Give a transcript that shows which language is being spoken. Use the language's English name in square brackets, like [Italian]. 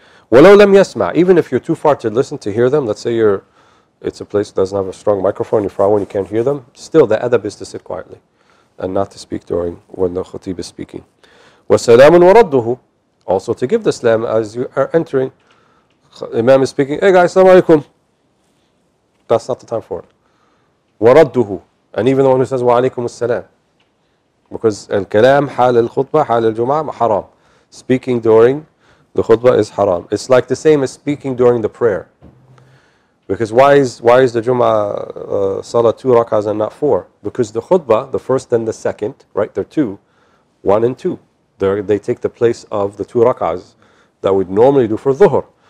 [Arabic] وَلَوْ لَمْ يَسْمَعْ, [English] even if you're too far to listen to hear them, let's say it's a place that doesn't have a strong microphone, you're far away and you can't hear them, still the adab is to sit quietly and not to speak during when the khutib is speaking. [Arabic] وَسَلَامٌ وَرَدُّهُ, [English] also to give the salam as you are entering. Imam is speaking, hey guys, assalamu alaikum. That's not the time for it. [Arabic] وَرَدُّهُ. [English] And even the one who says, [Arabic] وَعَلَيْكُمُ السَّلَامُ. [English] Because [Arabic] al-kalam حَالَ الْخُطْبَةِ حَالَ الْجُمْعَةِ حَرَامُ. [English] Speaking during the khutbah is haram. It's like the same as speaking during the prayer. Because why is the Jum'ah salah two rak'ahs and not four? Because the khutbah, the first and the second, right, they're two, one and two. They take the place of the two rak'ahs that we'd normally do for dhuhr.